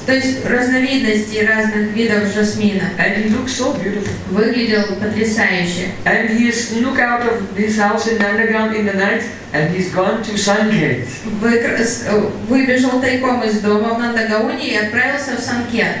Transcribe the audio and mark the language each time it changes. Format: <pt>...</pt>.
<ru>То есть разновидности разных видов жасмина.</ru> <en>And he looked so beautiful.</en> <ru>Выглядел потрясающе.</ru> <en>And he snuck out of his house in Nandagam in the night, and he's gone to Sanket.</en> <ru>Выбежал тайком из дома в Нандагауне и отправился в Санкет.</ru>